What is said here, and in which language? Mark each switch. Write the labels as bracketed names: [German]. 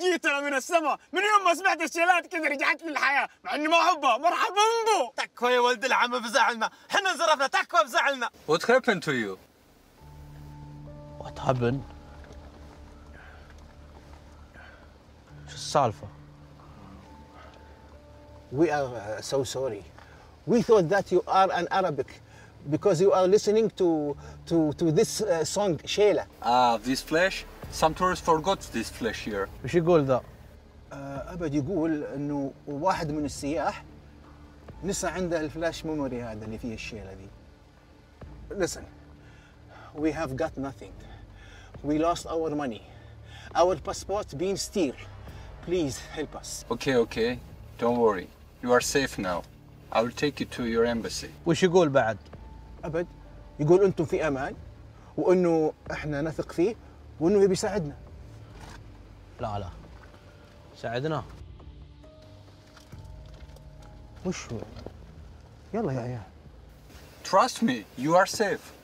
[Arabic] جيتنا من السماء، من يوم ما سمعت الشيلات كذا رجعت للحياة، مع أني ما أحبها. مرحبا بو. تكفى يا ولد العم بزعلنا، حنا انزرفنا، تكفى بزعلنا. [English] What happened to you? What happened? [Arabic] شو السالفة؟ [English] We are so sorry. We thought that you are an Arabic. Because you are listening to this song, Sheila. This flesh? Some tourists forgot this flesh here. What do you say? [Arabic] Abad يقول إنه واحد من السياح نسى عنده الفلاش ميموري هذا اللي فيه الشيلة دي. [English] Listen, we have got nothing. We lost our money. Our passport been stealed. Please help us. Okay, okay. Don't worry. You are safe now. I will take you to your embassy. What do you say next? [Arabic] أبد يقول أنتم في أمان وأنه إحنا نثق فيه وأنه بيساعدنا. لا لا ساعدنا وشو؟ يلا يا عيال. [English] Trust me, you are safe.